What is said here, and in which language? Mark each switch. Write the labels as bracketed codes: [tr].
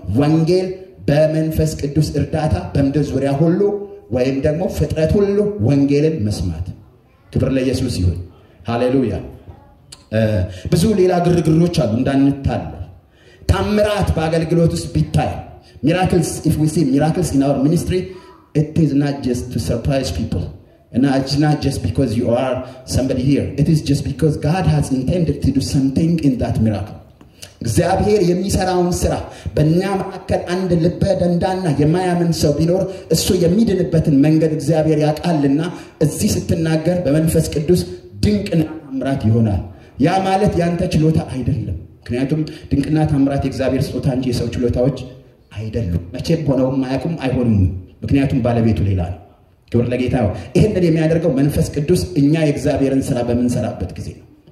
[am] ወንጌል በመንፈስ ቅዱስ እርዳታ በምድር ዙሪያ ሁሉ ወይም ደግሞ ፍጥረት ሁሉ ወንጌልን መስማት። ክብር ለኢየሱስ ይሁን። ሃሌሉያ። ብዙ ሌላ ግርግሮች አሉ እንዳንታለ። ታምራት በአገልግሎት ውስጥ ቢታይ [en] miracles, if we see miracles in our ministry, it is not just to surprise people. And it's not just because you are somebody here. It is just because God has intended to do something in that miracle. [am] እግዚአብሔር የሚሰራውን ስራ በእኛ መካከል አንድ ልበ ደንዳና የማያምን ሰው ቢኖር እሱ የሚድንበትን መንገድ እግዚአብሔር ያቃልና እዚህ ስትናገር በመንፈስ ቅዱስ ድንቅና ታምራት ይሆናል። ያ ማለት ያንተ ችሎታ አይደለም። ምክንያቱም ድንቅና ታምራት የእግዚአብሔር ስጦታ እንጂ የሰው ችሎታዎች አይደሉም። መቼም ሆነውም አያውቁም አይሆኑም። ምክንያቱም ባለቤቱ ሌላ ነው። ክብር ለጌታ ነው። ይሄን እንደሚያደርገው መንፈስ ቅዱስ እኛ የእግዚአብሔርን ስራ በመንሰራበት ጊዜ ነው።